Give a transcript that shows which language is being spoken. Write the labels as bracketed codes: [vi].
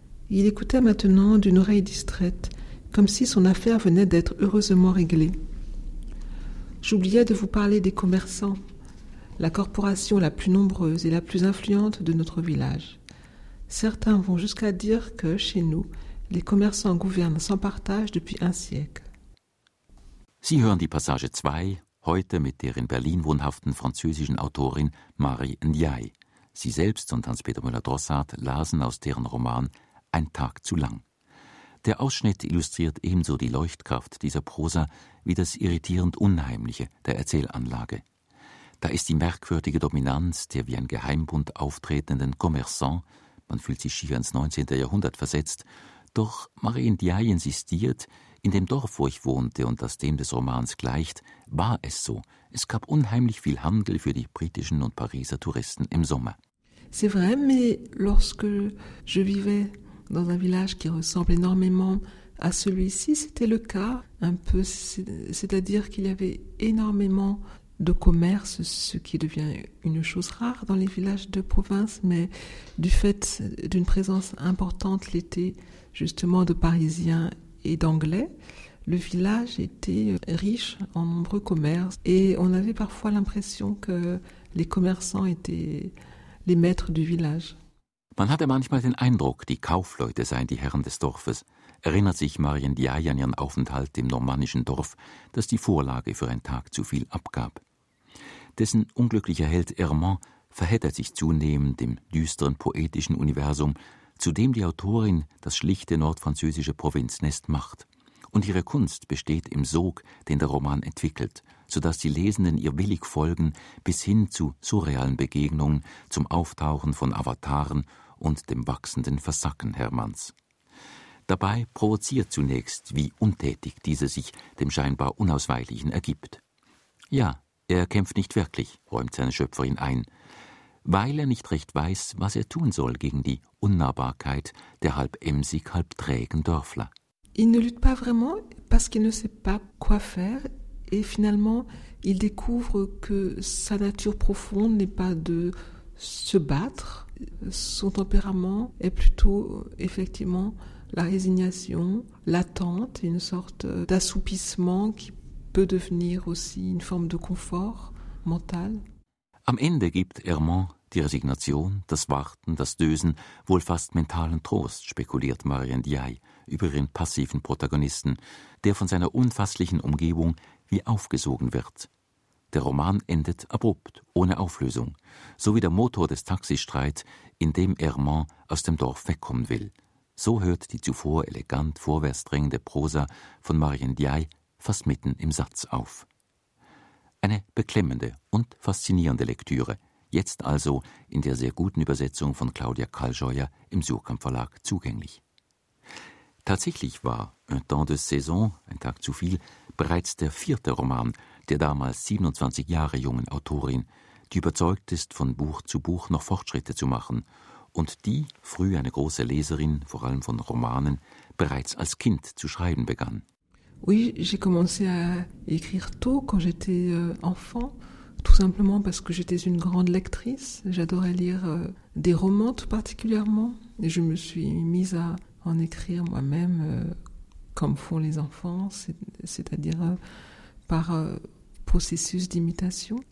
[fr] Il écoutait maintenant d'une oreille distraite, comme si son affaire venait d'être heureusement réglée. J'oubliais de vous parler des commerçants, la corporation la plus nombreuse et la plus influente de notre village. Certains vont jusqu'à dire que chez nous les commerçants gouvernent sans partage depuis un siècle. [de] Sie hören die Passage 2, heute mit der in Berlin wohnhaften französischen Autorin Marie Ndiaye. Sie selbst und Hans-Peter Müller-Drossart lasen aus deren Roman »Ein Tag zu lang«. Der Ausschnitt illustriert ebenso die Leuchtkraft dieser Prosa wie das irritierend Unheimliche der Erzählanlage. Da ist die merkwürdige Dominanz der wie ein Geheimbund auftretenden Commerçants, man fühlt sich schier ins 19. Jahrhundert versetzt, doch Marie Ndiaye insistiert, in dem Dorf, wo ich wohnte und das dem des Romans gleicht, war es so. Es gab unheimlich viel Handel für die britischen und Pariser Touristen im Sommer. [fr] C'est vrai, mais lorsque je vivais dans un village qui ressemble énormément à celui-ci, c'était le cas un peu, c'est-à-dire qu'il y avait énormément de commerce, ce qui devient une chose rare dans les villages de province, mais du fait d'une présence importante l'été, justement de Parisiens et d'Anglais, le village était riche en nombreux commerces et on avait parfois l'impression que les commerçants étaient les maîtres du village. [de] Man hatte manchmal den Eindruck, die Kaufleute seien die Herren des Dorfes. Erinnert sich Marie Ndiaye an ihren Aufenthalt im normannischen Dorf, das die Vorlage für einen Tag zu viel abgab. Dessen unglücklicher Held Hermann verheddert sich zunehmend im düsteren poetischen Universum, zu dem die Autorin das schlichte nordfranzösische Provinznest macht. Und ihre Kunst besteht im Sog, den der Roman entwickelt, sodass die Lesenden ihr willig folgen bis hin zu surrealen Begegnungen, zum Auftauchen von Avataren und dem wachsenden Versacken Hermanns. Dabei provoziert zunächst, wie untätig diese sich dem scheinbar Unausweichlichen ergibt. Ja, er kämpft nicht wirklich, räumt seine Schöpferin ein, weil er nicht recht weiß, was er tun soll gegen die Unnahbarkeit der halb emsig, halb trägen Dörfler. [fr] Il ne lutte pas vraiment parce qu'il ne sait pas quoi faire et finalement il découvre que sa nature profonde n'est pas de se battre. Son tempérament est plutôt effectivement la résignation, l'attente, une sorte d'assoupissement qui peut devenir aussi une forme de confort mental. [de] Am Ende gibt Hermann Die Resignation, das Warten, das Dösen, wohl fast mentalen Trost, spekuliert Marie Ndiaye über ihren passiven Protagonisten, der von seiner unfasslichen Umgebung wie aufgesogen wird. Der Roman endet abrupt, ohne Auflösung, so wie der Motor des Taxistreits, in dem Hermann aus dem Dorf wegkommen will. So hört die zuvor elegant vorwärts drängende Prosa von Marie Ndiaye fast mitten im Satz auf. Eine beklemmende und faszinierende Lektüre, jetzt also in der sehr guten Übersetzung von Claudia Kallscheuer im Surkamp Verlag zugänglich. Tatsächlich war Un temps de saison, ein Tag zu viel, bereits der vierte Roman der damals 27 Jahre jungen Autorin, die überzeugt ist, von Buch zu Buch noch Fortschritte zu machen und die, früh eine große Leserin, vor allem von Romanen, bereits als Kind zu schreiben begann. [fr] Oui, j'ai commencé à écrire tôt quand j'étais enfant. Tout simplement parce que j'étais une grande lectrice. J'adorais lire des romans tout particulièrement. Et je me suis mise à en écrire moi-même, comme font les enfants, c'est-à-dire par processus d'imitation.